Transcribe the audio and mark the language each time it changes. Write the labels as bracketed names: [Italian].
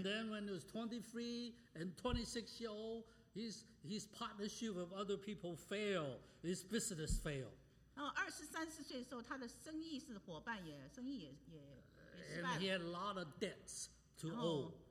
[English] And then when he was 23 and 26 years old, his partnership with other people failed. His business failed. [Chinese] 然后23、24岁的时候，他的生意是伙伴也生意也失败了。 [English] And he had a lot of debts to owe.